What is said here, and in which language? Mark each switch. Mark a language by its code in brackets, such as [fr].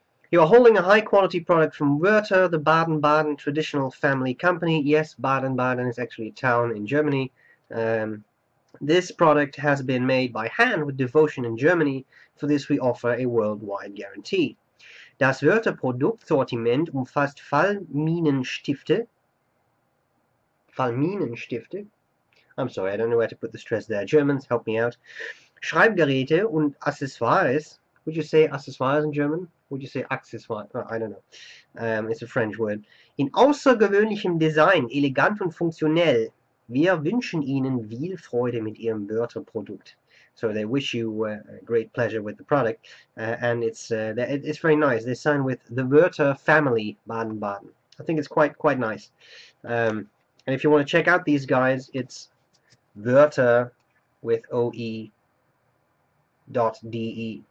[en] You are holding a high-quality product from Wörther, the Baden-Baden traditional family company. Yes, Baden-Baden is actually a town in Germany. This product has been made by hand with devotion in Germany. For this, we offer a worldwide guarantee. [de] Das Wörther Produktsortiment umfasst Fallminenstifte. Fallminenstifte. [en] I'm sorry, I don't know where to put the stress there. Germans, help me out. [de] Schreibgeräte und Accessoires. [en] Would you say Accessoires in German? Would you say Accessoires? I don't know. It's a French word. [de] In außergewöhnlichem Design, elegant und funktionell. Wir wünschen Ihnen viel Freude mit Ihrem Wörterprodukt. [en] So they wish you great pleasure with the product. And it's very nice. They sign with the Wörter family, Baden-Baden. I think it's quite nice. And if you want to check out these guys, it's Wörther with O-E dot D-E.